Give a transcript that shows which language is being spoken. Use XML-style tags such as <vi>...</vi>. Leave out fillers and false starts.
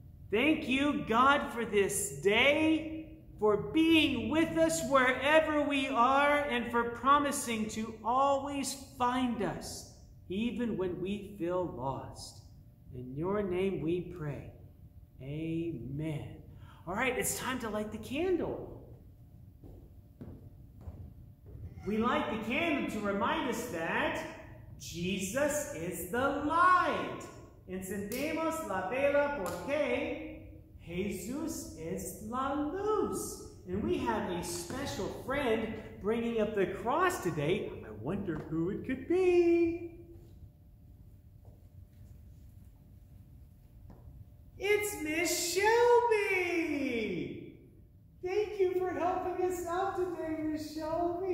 <en>Thank you, God, for this day, for being with us wherever we are, and for promising to always find us, even when we feel lost. In your name we pray. Amen. All right, it's time to light the candle. We light the candle to remind us that Jesus is the light.</en> <es>Encendemos la vela porque Jesús es la luz.</es> <en>And we have a special friend bringing up the cross today. I wonder who it could be. It's Miss Shelby! Thank you for helping us out today, Miss Shelby.</en>